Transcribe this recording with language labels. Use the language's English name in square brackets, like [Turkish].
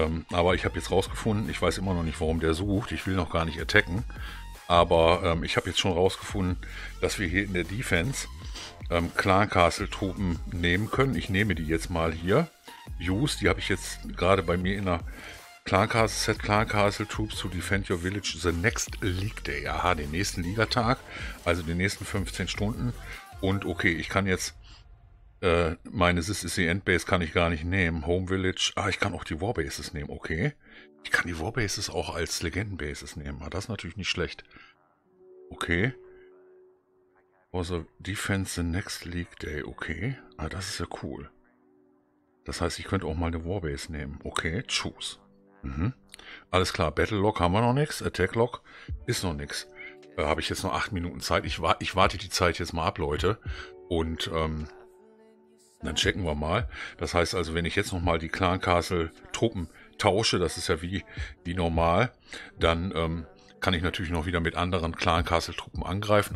[German] Aber ich habe jetzt rausgefunden, ich weiß immer noch nicht, warum der sucht. Ich will noch gar nicht attacken. Aber ich habe jetzt schon rausgefunden, dass wir hier in der Defense Clan Castle Truppen nehmen können. Ich nehme die jetzt mal hier. Use, die habe ich jetzt gerade bei mir in der Clan Castle Set. [English] Clan Castle Troops to defend your village the next League Day. [German] Aha, den nächsten Ligatag, also die nächsten 15 Stunden. Und okay, ich kann jetzt meine This is the Endbase kann ich gar nicht nehmen. Home Village, ah, ich kann auch die Warbases nehmen, okay. Ich kann die Warbases auch als Legendenbases nehmen. Ah, das ist natürlich nicht schlecht. Okay. [English] For the defense the next League Day, okay. [German] Ah, das ist ja cool. Das heißt, ich könnte auch mal eine Warbase nehmen. Okay, choose. Mhm. Alles klar, Battle Lock haben wir noch nichts. Attack Lock ist noch nichts. Habe ich jetzt noch 8 Minuten Zeit. Ich warte die Zeit jetzt mal ab, Leute. Und dann checken wir mal. Das heißt also, wenn ich jetzt noch mal die Clan Castle Truppen tausche, das ist ja wie normal, dann kann ich natürlich noch wieder mit anderen Clan Castle Truppen angreifen.